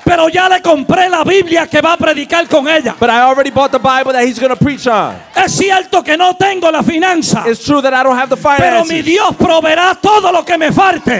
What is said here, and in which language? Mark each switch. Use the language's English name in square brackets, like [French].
[Spanish] Pero ya le compré la Biblia que va a predicar con ella. [English] But I already bought the Bible that he's going to preach on. [Spanish] Es cierto que no tengo la finanza. [English] It's true that I don't have the finances. [Spanish] Pero mi Dios proveerá todo lo que me falte.